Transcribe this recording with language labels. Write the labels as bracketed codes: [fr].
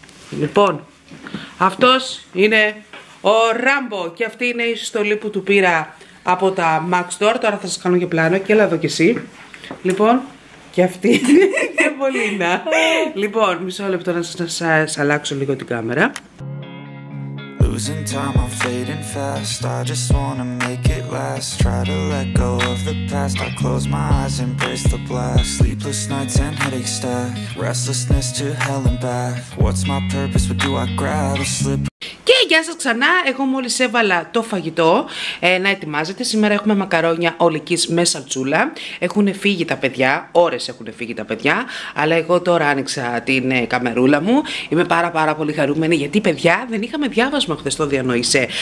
[el] Λοιπόν, αυτός είναι ο Ράμπο και αυτή είναι η συστολή που του πήρα από τα Max Store. Τώρα θα σας κάνω και πλάνο και έλα εδώ κι εσύ. Λοιπόν, και αυτή είναι η Μολίνα. Λοιπόν, μισό λεπτό να σας αλλάξω λίγο την κάμερα. [en] Losing time, I'm fading fast. I just wanna make it last. Try to let go of the past. I close my eyes, embrace the blast. Sleepless nights and headache stack. Restlessness to hell and back. What's my purpose? What do I grab? A slip. [el] Και γεια σας ξανά, εγώ μόλις έβαλα το φαγητό να ετοιμάζεται. Σήμερα έχουμε μακαρόνια ολικής με σαλτσούλα. Έχουν φύγει τα παιδιά, ώρες έχουν φύγει τα παιδιά. Αλλά εγώ τώρα άνοιξα την καμερούλα μου. Είμαι πάρα πάρα πολύ χαρούμενη, γιατί παιδιά δεν είχαμε διάβασμα χθες το διανόησε.